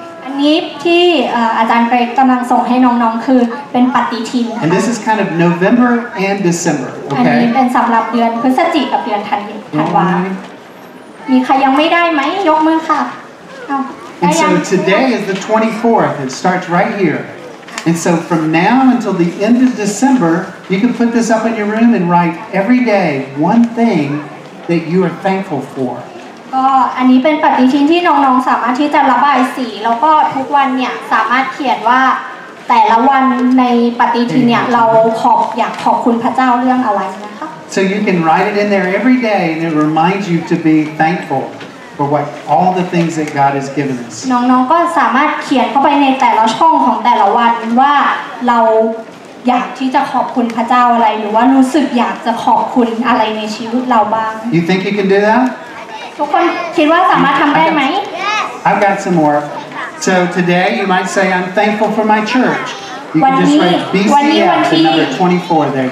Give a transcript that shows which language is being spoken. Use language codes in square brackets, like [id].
[th] อันนี้ที่อาจารย์เกรกกำลังส่งให้น้องๆคือเป็นปฏิทินค่ะ [en] And this is kind of November and December okay [th] อันนี้เป็นสำหรับเดือนพฤศจิกับเดือนธันวาคมมีใครยังไม่ได้ไหมยกมือค่ะเอา [en] And so today is the 24th it starts right here and so from now until the end of December you can put this up in your room and write every day one thing that you are thankful for [th] ก็อันนี้เป็นปฏิทินที่น้องๆสามารถที่จะระบายสีแล้วก็ทุกวันเนี่ยสามารถเขียนว่าแต่ละวันในปฏิทินเนี่ยเราขอบอยากขอบคุณพระเจ้าเรื่องอะไรนะคะ [en] So you can write it in there every day and it reminds you to be thankful for what all the things that God has given us [th] น้องๆก็สามารถเขียนเข้าไปในแต่ละช่องของแต่ละวันว่าเราอยากที่จะขอบคุณพระเจ้าอะไรหรือว่ารู้สึกอยากจะขอบคุณอะไรในชีวิตเราบ้าง [en] You think you can do thatI've got some more. So today you might say, I'm thankful for my church. You can just write BCF, the number 24 there.